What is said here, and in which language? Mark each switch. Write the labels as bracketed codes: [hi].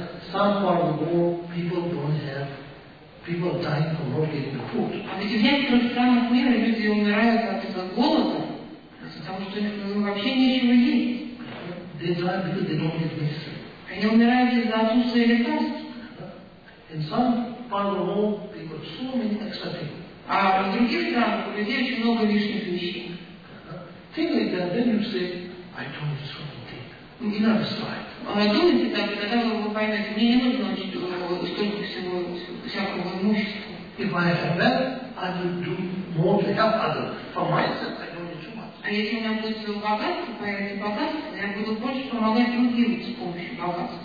[en] Some part of the world, people don't have, people dying from not getting food. [ru] А ведь в некоторых странах мира люди умирают от голода, потому что им вообще нечего есть. [en] They die because they don't get medicine. [ru] Они умирают из-за отсутствия лекарств. [en] In some part of the world, people have so many extra things. [ru] А в других странах у людей очень много лишних вещей. [en] Think like that, then you say, I don't need something. [ru] Думайте так, когда вы поймете, мне не нужно столько всего, всякого имущества. [en] If I have that, I will do more to help others. For myself, I don't need too much. [ru] А если у меня будет свое богатство, поймете богатство, я буду больше помогать другим с помощью богатства.